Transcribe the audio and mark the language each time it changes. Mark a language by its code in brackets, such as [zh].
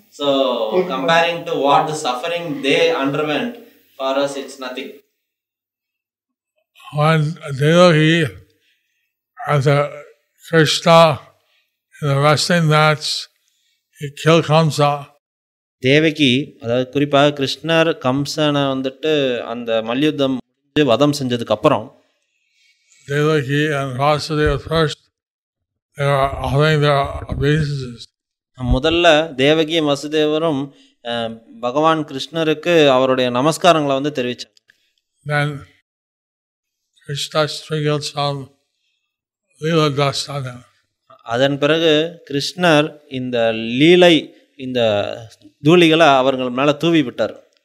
[en] So comparing to what the suffering they underwent, for us it's nothing. When Devaki as a Krishna in the wrestling match, he killed Kamsa. [ta] Devaki, அதாவது குறிப்பாக கிருஷ்ணர் கம்சனை வந்துட்டு அந்த மல்யுத்தம் வதம் செஞ்சதுக்கு அப்புறம் [en] Devaki and Vasudev first, they are offering their obeisances. [ta] முதல்ல தேவகி வசுதேவரும் பகவான் கிருஷ்ணருக்கு அவருடைய நமஸ்காரங்களை வந்து தெரிவிச்சாங்க. [en] Then Krishna sprinkled some lila dust on him. [ta] அதன் பிறகு கிருஷ்ணர் இந்த லீலை இந்த தூளிகளை அவர்கள் மேல தூவி விட்டார்.